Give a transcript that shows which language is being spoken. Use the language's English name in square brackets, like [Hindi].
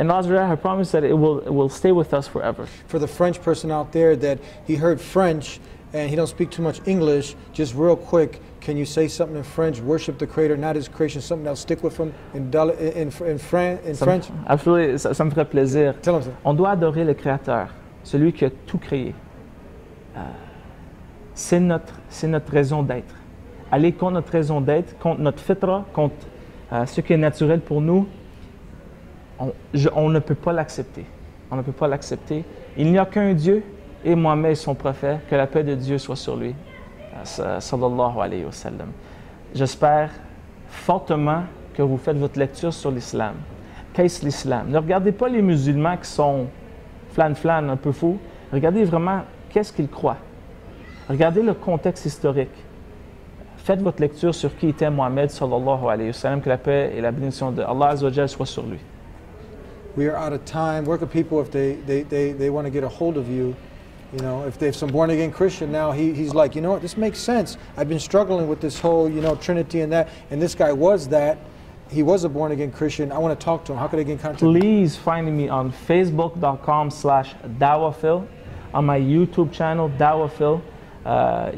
[English] And Allah has promised that it will stay with us forever. For the French person out there that he heard French and he don't speak too much English, just real quick, can you say something in French, worship the Creator, not his creation, something that'll stick with him in French? Absolutely, [French] ça me ferait plaisir. [English] Tell him something. [French] On doit adorer le Créateur, celui qui a tout créé. C'est notre raison d'être. Aller contre notre raison d'être, contre notre fitra, contre ce qui est naturel pour nous, on ne peut pas l'accepter. On ne peut pas l'accepter. Il n'y a qu'un Dieu, et Mohammed est son prophète. Que la paix de Dieu soit sur lui. [Arabic] Sallallahu alayhi wa sallam. [French] J'espère fortement que vous faites votre lecture sur l'islam. Qu'est-ce l'islam? Ne regardez pas les musulmans qui sont flan-flan, un peu fous. Regardez vraiment qu'est-ce qu'ils croient. Regardez le contexte historique. Faites votre lecture sur qui était Mohammed [Arabic] sallallahu alayhi wa sallam, [French] que la paix et la bénédiction de Allah [Arabic] azza wa jalla [French] soient sur lui. [English] We are out of time. Where can people, if they want to get a hold of you, you know, if they have some born again Christian now, he's like, you know what, this makes sense. I've been struggling with this whole, you know, Trinity and that, and this guy was that. He was a born again Christian. I want to talk to him. How could I get in contact? Please find me on facebook.com/dawahphil, on my YouTube channel, dawahphil.